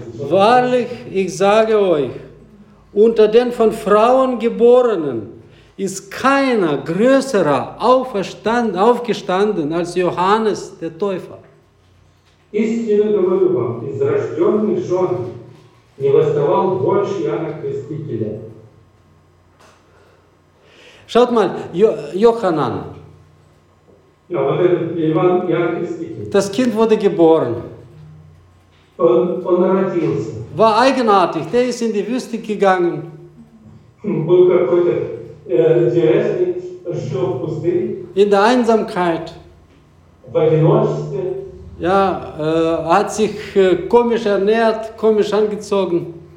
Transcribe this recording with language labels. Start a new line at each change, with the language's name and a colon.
German: Wahrlich, ich sage euch, unter den von Frauen Geborenen ist keiner größerer aufgestanden als Johannes der Täufer.
Russian: Истинно говорю вам, из рожденных жен не восставал больше Иоанна Крестителя.
German: Schaut mal, Johannan.
Russian: Ja, вот этот Иоанн Креститель.
German: Das Kind wurde geboren.
Russian: Он родился.
German: War eigenartig, der ist in die Wüste gegangen.
Russian: Был какой-то интересный, что в пустыне.
German: In der Einsamkeit.
Russian: В одиночестве.
German: Ja, er hat sich komisch ernährt, komisch angezogen.